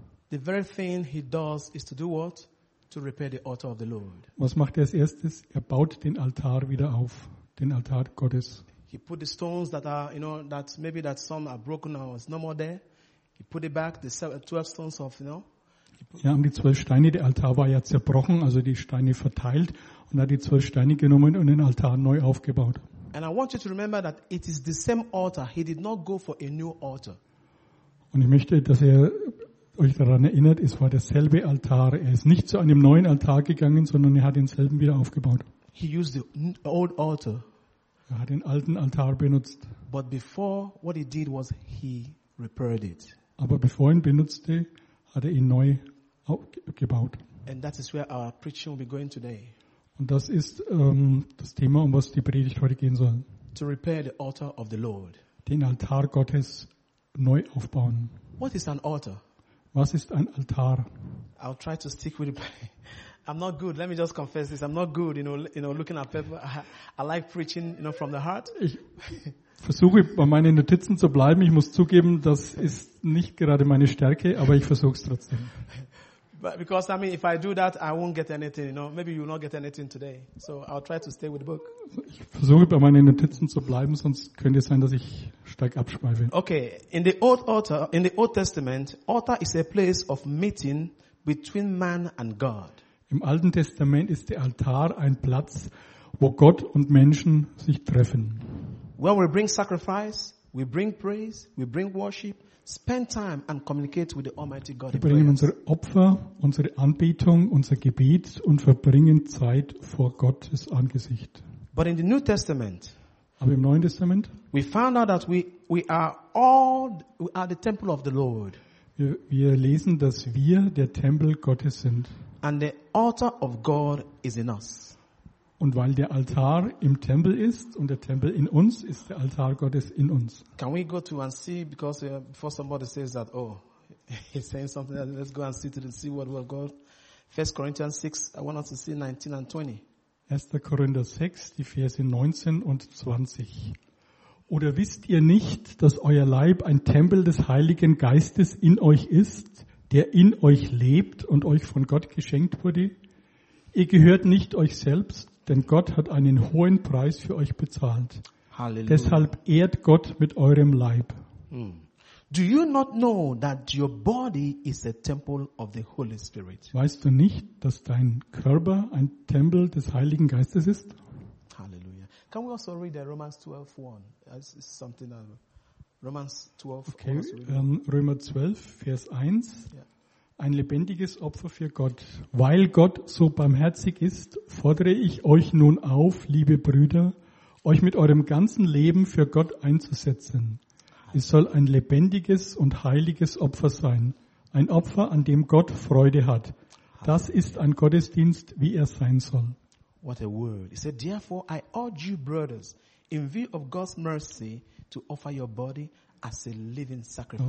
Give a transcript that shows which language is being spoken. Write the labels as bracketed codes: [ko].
[en] the very thing he does is to do what? To repair the altar of the Lord. [de] Was macht er als erstes? Er baut den Altar wieder auf, den Altar Gottes. [en] He put the stones that are, you know, that maybe that some are broken or is no more there. He put it back, the 12 stones of, you know. [de] Ja, und die 12 Steine, der Altar war ja zerbrochen, also die Steine verteilt, und hat die 12 Steine genommen und den Altar neu aufgebaut. [en] And I want you to remember that it is the same altar. He did not go for a new altar. [de] Und ich möchte, dass ihr euch daran erinnert, es war derselbe Altar. Er ist nicht zu einem neuen Altar gegangen, sondern er hat denselben wieder aufgebaut. [en] He used the old altar. [de] Er hat den alten Altar benutzt. [en] But before, what he did was he repaired it. [de] Aber bevor er ihn benutzte, hat er ihn neu aufgebaut. [en] And that is where our preaching will be going today. [de] Und das ist das Thema, um was die Predigt heute gehen soll. [en] To repair the altar of the Lord. [de] Den Altar Gottes neu aufbauen. [en] What is an altar? [de] Was ist ein Altar? [en] I'll try to stick with it. I'm not good. Let me just confess this. I'm not good, you know, looking at paper. I like preaching, you know, from the heart. [de] Ich versuche bei meinen Notizen zu bleiben. Ich muss zugeben, das ist nicht gerade meine Stärke, aber ich versuche es trotzdem. [en] But because I mean, if I do that, I won't get anything. You know, maybe you will not get anything today. So I'll try to stay with the book. [de] Ich versuche bei meinen Notizen zu bleiben, sonst könnte es sein, dass ich stark abschweife. [en] Okay, in the Old Testament, altar is a place of meeting between man and God. [de] Im Alten Testament ist der Altar ein Platz, wo Gott und Menschen sich treffen. [en] When we bring sacrifice, we bring praise, we bring worship. Spend time and communicate with the Almighty God. [de] Wir bringen unsere Opfer, unsere Anbetung, unser Gebet und verbringen Zeit vor Gottes Angesicht. [en] But in the New Testament, [de] aber im Neuen Testament, [en] we found out that we are the temple of the Lord. [de] Wir lesen, dass wir der Tempel Gottes sind. [en] And the altar of God is in us. [de] Und weil der Altar im Tempel ist und der Tempel in uns, ist der Altar Gottes in uns. [en] Can we go to and see, because before somebody says that, oh, he's saying something, let's go and see to see what we've got. 1 Corinthians 6, I want us to see 19 and 20. [de] 1. Korinther 6, die Verse 19 und 20. Oder wisst ihr nicht, dass euer Leib ein Tempel des Heiligen Geistes in euch ist, der in euch lebt und euch von Gott geschenkt wurde? Ihr gehört nicht euch selbst, denn Gott hat einen hohen Preis für euch bezahlt. Halleluja. Deshalb ehrt Gott mit eurem Leib. [en] Do you not know that your body is a temple of the Holy Spirit? [de] Weißt du nicht, dass dein Körper ein Tempel des Heiligen Geistes ist? [en] Halleluja. Can we also read Romans 12:1? That's something that Romans 12. [de] Okay, Römer 12, Vers 1. Yeah. Ein lebendiges Opfer für Gott. Weil Gott so barmherzig ist, fordere ich euch nun auf, liebe Brüder, euch mit eurem ganzen Leben für Gott einzusetzen. Es soll ein lebendiges und heiliges Opfer sein. Ein Opfer, an dem Gott Freude hat. Das ist ein Gottesdienst, wie er sein soll. [en] What a word. He said, therefore, I urge you, brothers, in view of God's mercy, to offer your body as a living sacrifice.